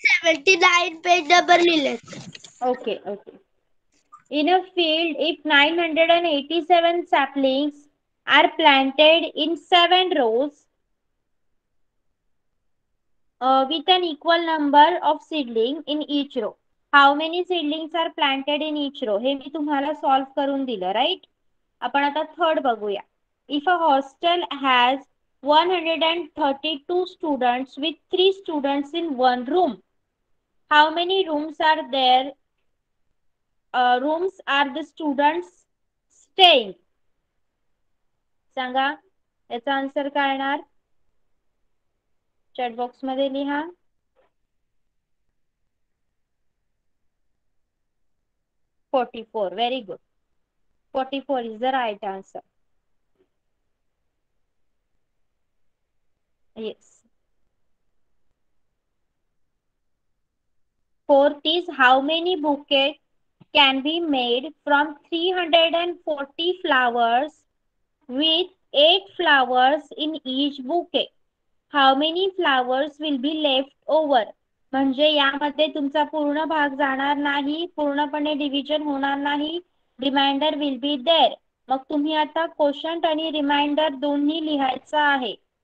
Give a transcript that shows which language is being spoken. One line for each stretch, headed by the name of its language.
Hindi: 79 पे डबल मिले.
English: Okay okay. In a field if 987 saplings are planted in 7 rows with an equal number of seedling in each row. How many seedlings are planted in each row?
Marathi: हे मी तुम्हाला solve करून दिलं, right. आपण आता third बघूया.
English: If a hostel has 132 students with 3 students in 1 room, how many rooms are there, rooms are the students staying.
Marathi: सांगा याचा answer काय येणार, चैट बॉक्स मध्ये लिहा.
English: Forty four. Very good. 44 is the right answer. Yes. Fourth is how many bouquet can be made from 340 flowers with 8 flowers in each bouquet. How many flowers will be left over.
Marathi: म्हणजे यामध्ये तुमचा पूर्ण भाग जाणार नाही, पूर्णपणे division होणार नाही,
English: Reminder will be there.
Marathi: मग तुम्ही आता क्वेश्चन आणि रिमाइंडर दोन्ही लिहायचं आहे.